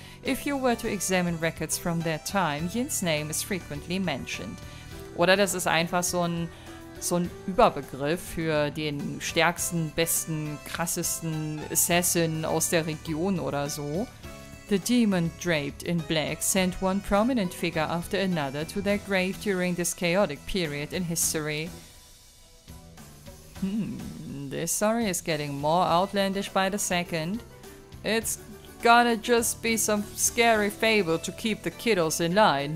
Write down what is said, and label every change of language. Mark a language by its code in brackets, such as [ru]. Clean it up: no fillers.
[en] If you were to examine records from that time, Yin's name is frequently mentioned. [de] Oder das ist einfach so ein Überbegriff für den stärksten, besten, krassesten Assassin aus der Region oder so. [en] The demon draped in black sent one prominent figure after another to their grave during this chaotic period in history. This story is getting more outlandish by the second. It's gonna just be some scary fable to keep the kiddos in line.